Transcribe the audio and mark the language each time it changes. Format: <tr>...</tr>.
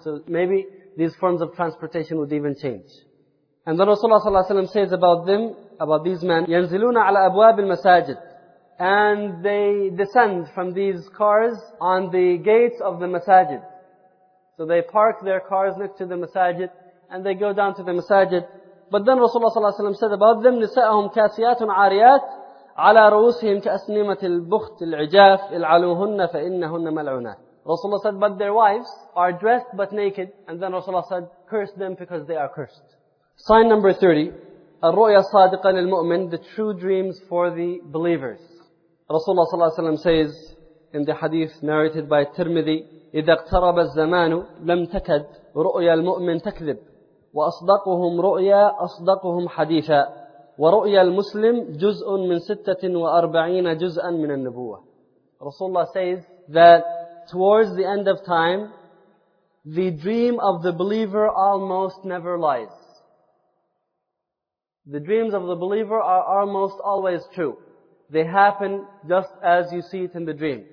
<en>So maybe these forms of transportation would even change. And then Rasulullah sallallahu alayhi wa sallam says about them, about these men,</en> <ar>يَنزِلُونَ عَلَى أَبْوَابِ الْمَسَاجِدِ.</ar> <en>And they descend from these cars on the gates of the masajid. So they park their cars next to the masajid and they go down to the masajid. But then Rasulullah ﷺ said about them,</en> <ar>نِسَاءَهُمْ كَاسِيَاتٌ عَارِيَاتٌ عَلَى رُؤُسِهِمْ كَأَسْنِمَةِ الْبُخْتِ الْعِجَافِ الْعَلُوهُنَّ فَإِنَّهُنَّ مَلْعُونَةٌ.</ar> <en>Rasulullah said, but their wives are dressed but naked. And then Rasulullah said, curse them because they are cursed. Sign number 30.</en> <ar>الرؤيَ الصَّادِقَ لِلْمُؤْمِنِ.</ar> <en>The true dreams for the believers. Rasulullah sallallahu alayhi wa sallam says in the hadith narrated by Tirmidhi,</en> <ar>إِذَا اقْتَرَبَ الزَّمَانُ لَمْ تَكَدْ رُؤْيَ الْمُؤْمِنِ تَكْذِبْ وَأَصْدَقُهُمْ رُؤْيَا أَصْدَقُهُمْ حَدِيثًا وَرُؤْيَ الْمُسْلِمِ جُزْءٌ مِّن 46 جُزْءًا مِّنَ النُّبُوَّةِ.</ar> <en>Rasulullah says that towards the end of time, the dream of the believer almost never lies. The dreams of the believer are almost always true. They happen just as you see it in the dream.</en>